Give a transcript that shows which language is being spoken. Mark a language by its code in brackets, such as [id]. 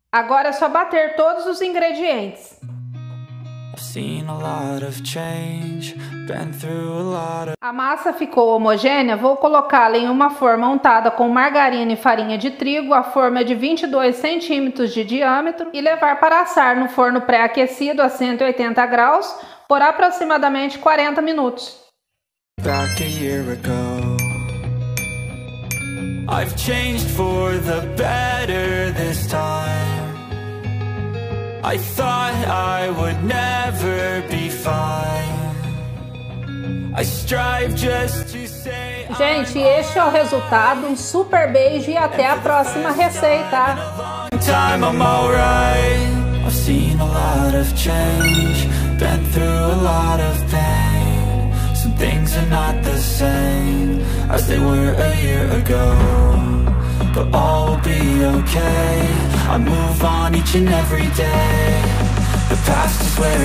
[pt] Agora é só bater todos os ingredientes. [en] Seen a lot of [pt] change, been through a lot of... A massa ficou homogênea. Vou colocá-la em uma forma untada com margarina e farinha de trigo. A forma é de 22 centímetros de diâmetro e levar para assar no forno pré-aquecido a 180 graus por aproximadamente 40 minutos. [en] Back a year ago, I've changed for the better this time. I thought I would never be fine. I strive just to say [pt] Gente, este é o resultado. Um super beijo e até a próxima receita. [en] Time I'm all right. I've seen a lot of change, been through a lot of pain. Some things are not the same as they were a year ago. But all will be okay. I move on each and every day. The past is where